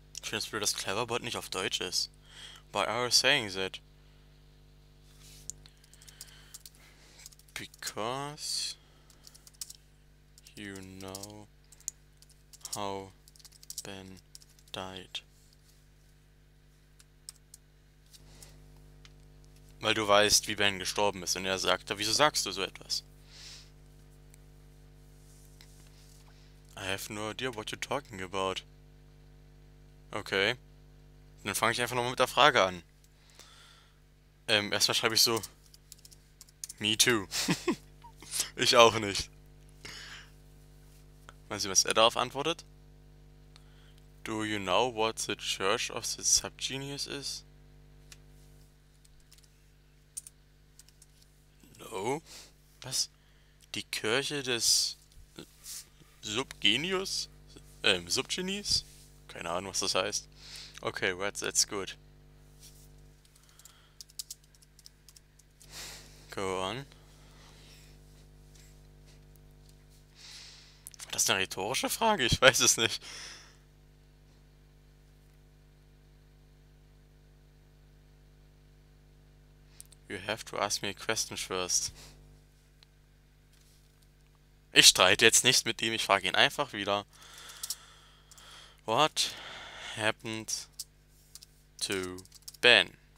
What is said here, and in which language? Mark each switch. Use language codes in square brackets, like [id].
[de] Das blöd, dass Cleverbot nicht auf Deutsch ist. [en] But I was saying that. Because you know how Ben died. [de] Weil du weißt, wie Ben gestorben ist. Und er sagte, wieso sagst du so etwas? [en] I have no idea what you're talking about. [de] Okay, dann fange ich einfach nochmal mit der Frage an. Erstmal schreibe ich so, [en] me too. [de] Ich auch nicht. Mal sehen, was er darauf antwortet. [en] Do you know what the Church of the Subgenius is? No. [de] Was? Die Kirche des Subgenius? Subgenies? Keine Ahnung, was das heißt. [en] Okay, right, that's good. Go on. [de] War das eine rhetorische Frage? Ich weiß es nicht. [en] You have to ask me a question first. [de] Ich streite jetzt nicht mit ihm, ich frage ihn einfach wieder. [en] What happened to Ben?